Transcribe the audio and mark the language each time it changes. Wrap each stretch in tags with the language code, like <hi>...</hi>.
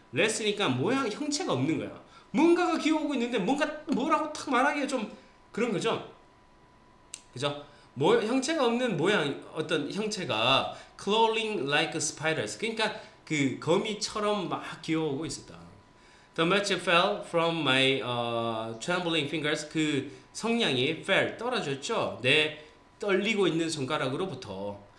<ko>less니까 모양 형체가 없는 거야. 뭔가가 기어오고 있는데 뭔가 뭐라고 탁 말하기에 좀 그런 거죠. 그죠? 뭐 형체가 없는 모양 어떤 형체가</ko> <en>crawling like spiders.</en> <ko>그러니까 그 거미처럼 막 기어오고 있었다.</ko> <en>The match fell from my trembling fingers.</en> <ko>그 성냥이 fell 떨어졌죠. 내 떨리고 있는 손가락으로부터.</ko>